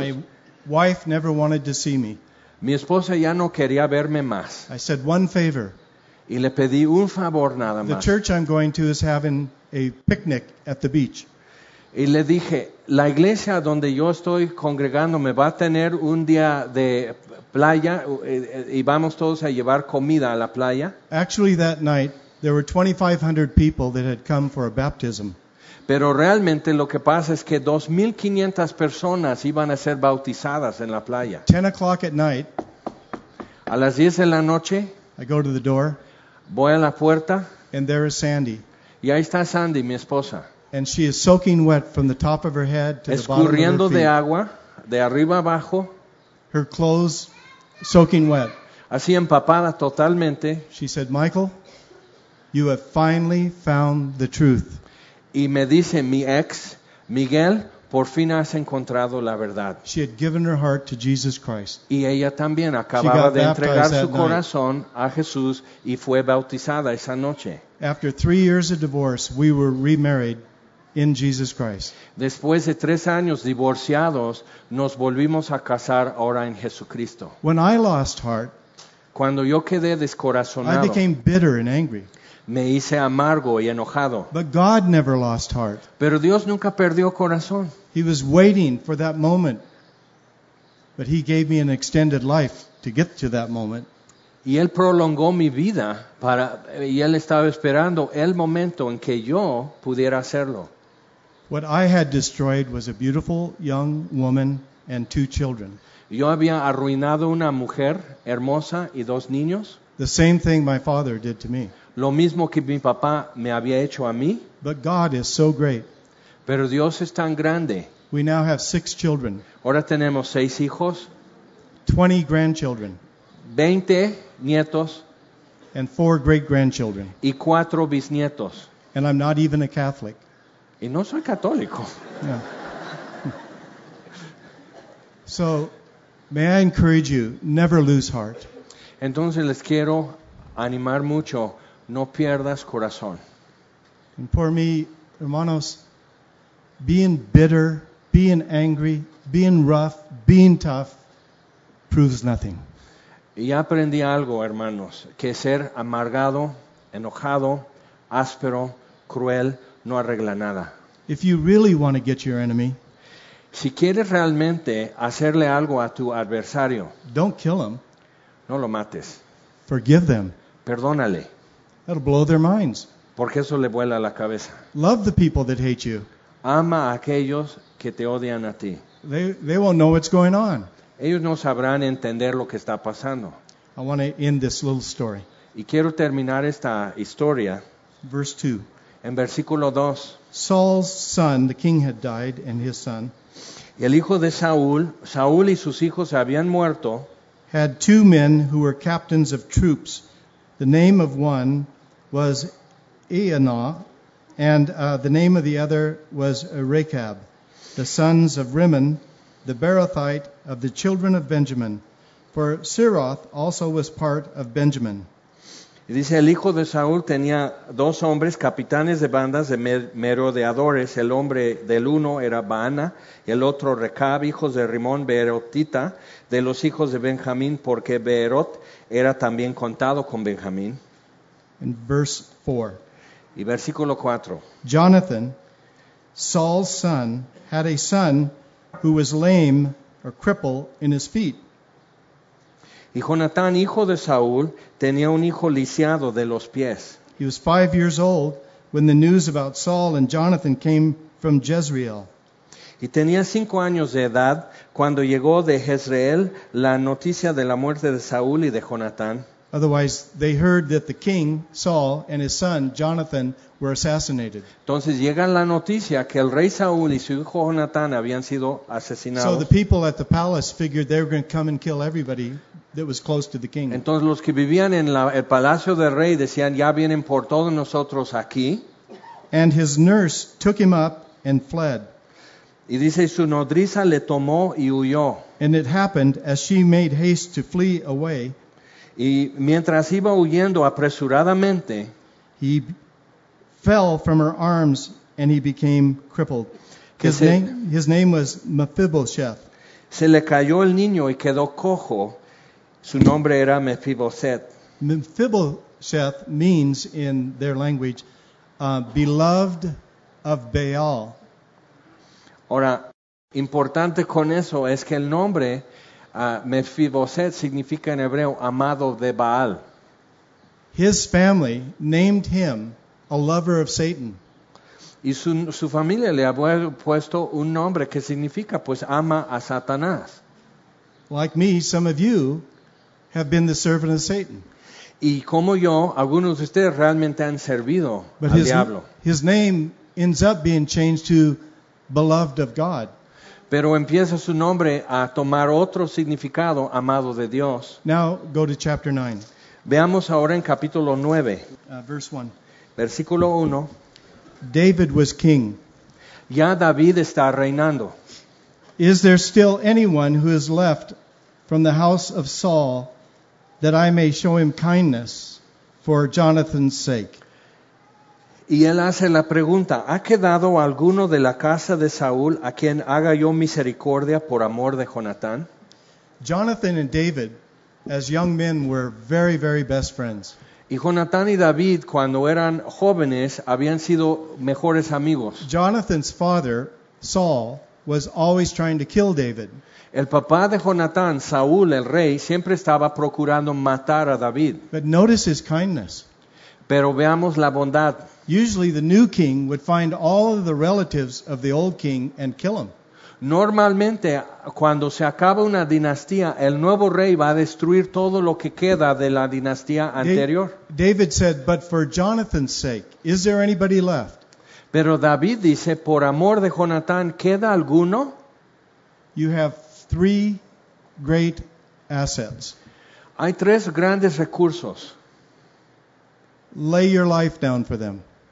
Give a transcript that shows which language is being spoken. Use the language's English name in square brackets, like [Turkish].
[English] My wife never wanted to see me. [Spanish] Mi esposa ya no quería verme más. [English] I said, one favor. [Spanish] Y le pedí un favor nada más. [English] The church I'm going to is having a picnic at the beach. [Spanish] Y le dije, la iglesia donde yo estoy congregando me va a tener un día de playa y vamos todos a llevar comida a la playa. [English] Actually that night there were 2500 people that had come for a baptism. [Spanish] Pero realmente lo que pasa es que 2500 personas iban a ser bautizadas en la playa. [English] 10 o'clock at night. [Spanish] A las 10 de la noche. [English] I go to the door. [Spanish] Voy a la puerta. [English] And there is Sandy. [Spanish] Y ahí está Sandy, mi esposa. [English] And she is soaking wet from the top of her head to the bottom of her feet. [Spanish] Escurriendo de agua, de arriba abajo. [English] Her clothes soaking wet. [Spanish] Así empapada totalmente. [English] She said, Michael, you have finally found the truth. [Spanish] Y me dice mi ex, Miguel, por fin has encontrado la verdad. [English] She had given her heart to Jesus Christ. [Spanish] Y ella también acababa de entregar su corazón a Jesús y fue bautizada esa noche. [English] After 3 years of divorce, we were remarried in Jesus Christ. [Spanish] Después de 3 años divorciados, nos volvimos a casar ahora en Jesucristo. [English] When I lost heart, [Spanish] cuando yo quedé descorazonado, [English] I became bitter and angry. [Spanish] Me hice amargo y enojado. [English] But God never lost heart. [Spanish] Pero Dios nunca perdió corazón. [English] He was waiting for that moment. But he gave me an extended life to get to that moment. [Spanish] Y él prolongó mi vida para, y él estaba esperando el momento en que yo pudiera hacerlo. [English] What I had destroyed was a beautiful young woman and 2 children. [Spanish] Yo había arruinado una mujer hermosa y 2 niños. [English] The same thing my father did to me. [Spanish] Lo mismo que mi papá me había hecho a mí. [English] But God is so great. [Spanish] Pero Dios es tan grande. [English] We now have 6 children. [Spanish] Ahora tenemos 6 hijos. [English] 20 grandchildren. [Spanish] 20 nietos. [English] And 4 great-grandchildren. [Spanish] Y 4 bisnietos. [English] And I'm not even a Catholic. [Spanish] Y no soy católico. No. [English] So, may I encourage you, never lose heart. [Spanish] Entonces les quiero animar mucho. No pierdas corazón. [English] And for me, hermanos, being bitter, being angry, being rough, being tough, proves nothing. [Spanish] Y aprendí algo, hermanos, que ser amargado, enojado, áspero, cruel, no arregla nada. [English] If you really want to get your enemy, [Spanish] si quieres realmente hacerle algo a tu adversario, [English] don't kill him. [Spanish] No lo mates. [English] Forgive them. [Spanish] Perdónale. [English] That'll blow their minds. [Spanish] Porque eso le vuela la cabeza. [English] Love the people that hate you. [Spanish] Ama a aquellos que te odian a ti. [English] They won't know what's going on. [Spanish] Ellos no sabrán entender lo que está pasando. [English] I want to end this little story. [Spanish] Y quiero terminar esta historia. [English] Verse 2. [Spanish] En versículo 2. [English] Saul's son, the king had died, and his son. [Spanish] Y el hijo de Saúl y sus hijos habían muerto. [English] Had 2 men who were captains of troops. The name of one was Aenah, and the name of the other was Rechab, the sons of Rimmon, the Berothite of the children of Benjamin, for Siroth also was part of Benjamin. [Spanish] Dice, el hijo de Saúl tenía 2 hombres, capitanes de bandas de merodeadores. El hombre del uno era Baana, el otro Rechab, hijos de Rimón, Berotita, de los hijos de Benjamín, porque Berot era también contado con Benjamín. [English] In verse 4. [Spanish] Y versículo 4. [English] Jonathan, Saul's son, had a son who was lame or crippled in his feet. [Spanish] Y Jonatán, hijo de Saúl, tenía un hijo lisiado de los pies. [English] He was 5 years old when the news about Saul and Jonathan came from Jezreel. [Spanish] Y tenía 5 años de edad cuando llegó de Jezreel la noticia de la muerte de Saúl y de Jonatán. [English] Otherwise, they heard that the king, Saul, and his son, Jonathan, were assassinated. [Spanish] Entonces llega la noticia que el rey Saúl y su hijo Jonatán habían sido asesinados. [English] So the people at the palace figured they were going to come and kill everybody that was close to the king. [Spanish] Entonces los que vivían en el palacio del rey decían, ya vienen por todos nosotros aquí. [English] And his nurse took him up and fled. [Spanish] Y dice, su nodriza le tomó y huyó. [English] And it happened as she made haste to flee away. [Spanish] Y mientras iba huyendo apresuradamente, [English] he fell from her arms and he became crippled. His name was Mephibosheth. [Spanish] Se le cayó el niño y quedó cojo. Su nombre era Mephibosheth. [English] Seth means in their language, beloved of Baal. [Spanish] Ahora, importante con eso es que el nombre Mefiboset significa en hebreo amado de Baal. [English] His family named him a lover of Satan. [Spanish] Y su familia le había puesto un nombre que significa, pues, ama a Satanás. [English] Like me, some of you have been the servant of Satan. [Spanish] Y como yo, algunos de ustedes realmente han servido [English] but [Spanish] al [English] his, [Spanish] diablo. [English] His name ends up being changed to beloved of God. [Spanish] Pero empieza su nombre a tomar otro significado, amado de Dios. [English] Now go to chapter 9. [Spanish] Veamos ahora en capítulo 9. Versículo 1. [English] David was king. [Spanish] Ya David está reinando. [English] Is there still anyone who is left from the house of Saul that I may show him kindness for Jonathan's sake? [Spanish] Y él hace la pregunta, ¿ha quedado alguno de la casa de Saúl a quien haga yo misericordia por amor de Jonatán? [English] Jonathan and David, as young men, were very, very best friends. [Spanish] Y Jonatán y David, cuando eran jóvenes, habían sido mejores amigos. [English] Jonathan's father, Saul, was always trying to kill David. [Spanish] El papá de Jonatán, Saúl, el rey, siempre estaba procurando matar a David. [English] But notice his kindness. [Spanish] Pero veamos la bondad. [English] Usually the new king would find all of the relatives of the old king and kill them. [Spanish] Normalmente, cuando se acaba una dinastía, el nuevo rey va a destruir todo lo que queda de la dinastía anterior. [English] David said, but for Jonathan's sake, is there anybody left? [Spanish] Pero David dice, por amor de Jonatán, ¿queda alguno? [English] You have three great assets. [Spanish] Hay tres grandes recursos. [English] Lay your life down for them.